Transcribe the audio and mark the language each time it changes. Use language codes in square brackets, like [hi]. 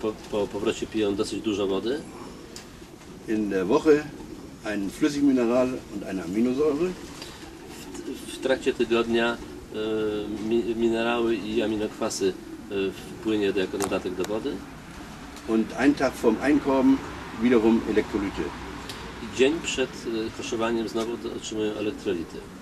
[pl] Po powrocie piją dosyć dużo wody. [de] In der Woche ein Flüssigmineral und eine Aminosäure. [pl] W trakcie tygodnia minerały i aminokwasy wpłynie jako dodatek do wody. [de] Und ein Tag vom Einkorben wiederum Elektrolyte. [pl] Dzień przed koszowaniem znowu otrzymują elektrolity.